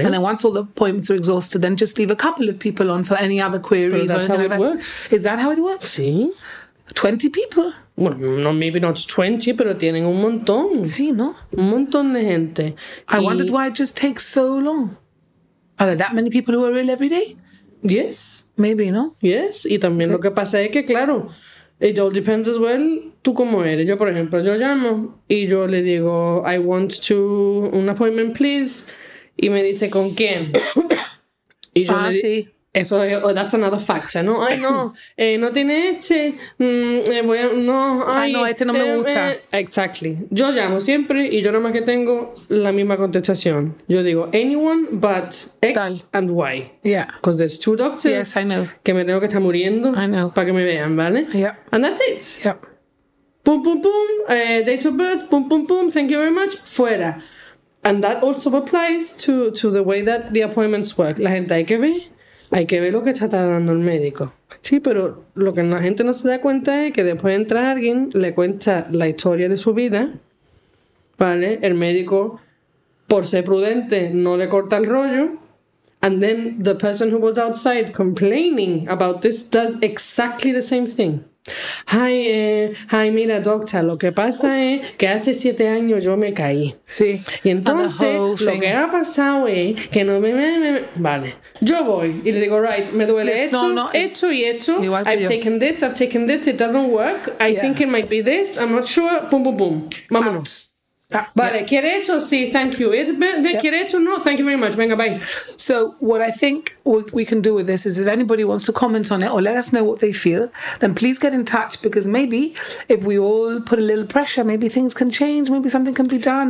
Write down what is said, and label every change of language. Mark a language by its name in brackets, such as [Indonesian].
[English] And then once all the appointments are exhausted, then just leave a couple of people on for any other queries. But that's or how it like works. Is that how it works? [Spanish] Sí. [English] 20 people. Well, no, maybe not 20, [Spanish] pero tienen un montón. Sí, ¿no? Un montón de gente. [English] I wondered why it just takes so long. Are there that many people who are ill every day? Yes. Maybe, ¿no? Yes. [Spanish] Y también lo que pasa es que, claro, [English] it all depends as well, [Spanish] tú cómo eres. Yo, por ejemplo, yo llamo y yo le digo, [English] I want to an appointment, please. [Spanish] Y me dice, ¿con quién? Y yo, ah, sí. [English] E so, oh, that's another factor, no? I know. Notinete, no, [Spanish] ay, no, este no me gusta. [English] Exactly. [Spanish] Yo llamo siempre y yo nada más que tengo la misma contestación. Yo digo, [English] anyone but X tal. And Y. Yeah. Because there's two doctors. Yes, I know. [Spanish] Que me tengo que estar muriendo. [English] I know. [Spanish] Para que me vean, ¿vale? [English] Yeah. And that's it. Yeah. Pum, pum, pum. Date of birth. Pum, pum, pum. Thank you very much. Fuera. And that also applies to the way that the appointments work. [Spanish] La gente hay que ver. Hay que ver lo que está tardando el médico. Sí, pero lo que la gente no se da cuenta es que después entra alguien, le cuenta la historia de su vida, ¿vale? El médico, por ser prudente, no le corta el rollo. [English] And then the person who was outside complaining about this does exactly the same thing. [Spanish] Ay, ay, mira, doctor, lo que pasa es que hace 7 años yo me caí. Sí. Y entonces, lo que ha pasado es que no me... Vale, yo voy y le digo, right, me duele esto, esto y esto. [English] I've taken this, it doesn't work. I think it might be this, I'm not sure. [Spanish] Pum, pum, pum. Vámonos. Vale, ¿quiere esto? Sí, [English] thank you. [Spanish] ¿Quiere esto? No, [English] thank you very much. [Spanish] Venga, bye. [English] So, what I think we can do with this is if anybody wants to comment on it or let us know what they feel, then please get in touch, because maybe if we all put a little pressure, maybe things can change, maybe something can be done.